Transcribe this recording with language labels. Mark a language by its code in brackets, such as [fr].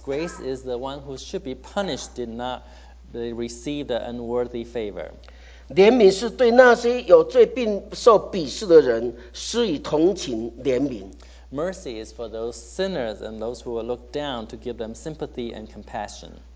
[en] Grace is the one who should be punished did not receive the unworthy favor. [zh] 怜悯是对那些有罪并受鄙视的人施以同情怜悯。 [en] Mercy is for those sinners and those who are looked down to give them sympathy and compassion.